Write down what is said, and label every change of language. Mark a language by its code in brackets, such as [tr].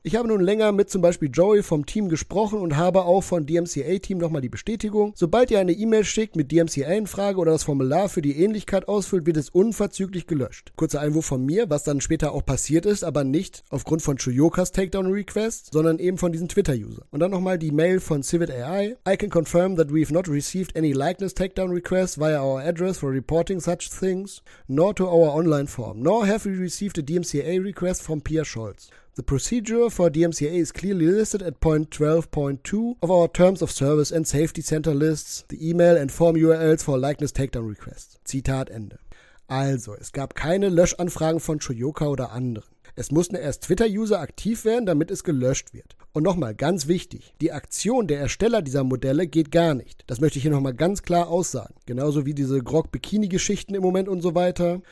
[de] Ich habe nun länger mit zum Beispiel Joey vom Team gesprochen und habe auch von DMCA-Team nochmal die Bestätigung, sobald ihr eine E-Mail schickt mit DMCA-Anfrage oder das Formular für die Ähnlichkeit ausfüllt, wird es unverzüglich gelöscht. Kurzer Einwurf von mir, was dann später auch passiert ist, aber nicht aufgrund von Shoyokas Takedown-Request, sondern eben von diesem Twitter-User. Und dann nochmal die Mail von Civit AI. [en] I can confirm that we have not received any likeness Takedown-Request via our address for reporting such things, nor to our online form, nor have we received a DMCA-Request from Pierre Scholz. The procedure for DMCA is clearly listed at point 12.2 of our Terms of Service and Safety Center lists, the email and form URLs for likeness takedown requests. [de] Zitat Ende. Also, es gab keine Löschanfragen von Shoyoka oder anderen. Es mussten erst Twitter-User aktiv werden, damit es gelöscht wird. Und nochmal, ganz wichtig, die Aktion der Ersteller dieser Modelle geht gar nicht. Das möchte ich hier nochmal ganz klar aussagen. Genauso wie diese Grog-Bikini-Geschichten im Moment und so weiter.